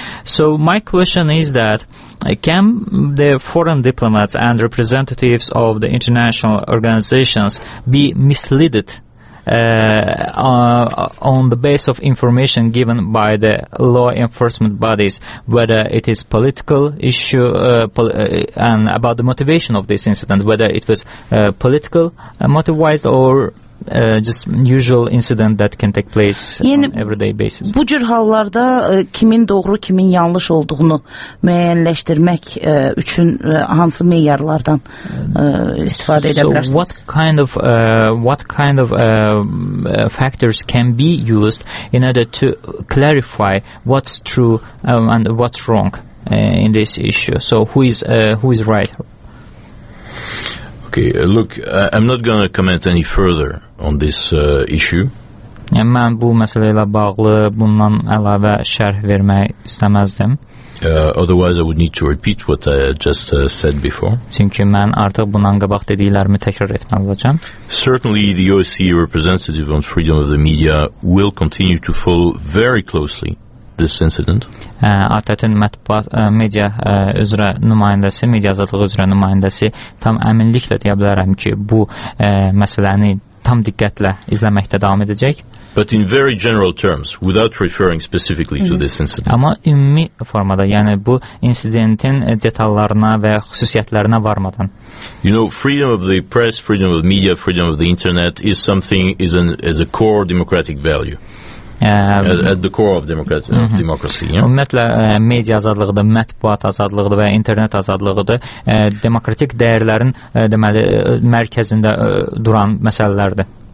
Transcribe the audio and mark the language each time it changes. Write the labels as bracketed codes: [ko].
[en] So my question is that can the foreign diplomats and representatives of the international organizations be misled on the basis of information given by the law enforcement bodies, whether it is political issue and about the motivation of this incident, whether it was political motivated or just usual incident that can take place, [az] yəni, [en] on everyday basis. [az] Bu cür hallarda kimin doğru, kimin yanlış olduğunu müəyyənləşdirmək üçün hansı meyarlardan istifadə edə bilərsiniz? [en] So what kind of factors can be used in order to clarify what's true and what's wrong in this issue? So who is right? Okay, look, I'm not going to comment any further on this issue. [az] Yəni, mən bu məsələ ilə bağlı bundan əlavə şərh vermək istəməzdim. [en] Otherwise, I would need to repeat what I just said before. [az] Çünki mən artıq bundan qabaq dediklərimi təkrar etməli olacağam. [en] Certainly, the OSCE representative on freedom of the media will continue to follow very closely this incident. [az] ATƏT-in mətbuat media üzrə nümayəndəsi, media azadlığı üzrə nümayəndəsi tam əminliklə deyə bilərəm ki, bu məsələni tam diqqətlə izləməkdə davam edəcək. [en] But in very general terms, without referring specifically to this incident. [az] Amma ümumi formada, yəni bu insidentin detallarına və xüsusiyyətlərinə varmadan. [en] You know, freedom of the press, freedom of media, freedom of the internet is something, is a core democratic value. At the core of democracy. Yeah? [az] Ümumiyyətlə, media azadlığıdır, mətbuat azadlığıdır və internet azadlığıdır. Demokratik dəyərlərin deməli, mərkəzində duran məsələlərdir.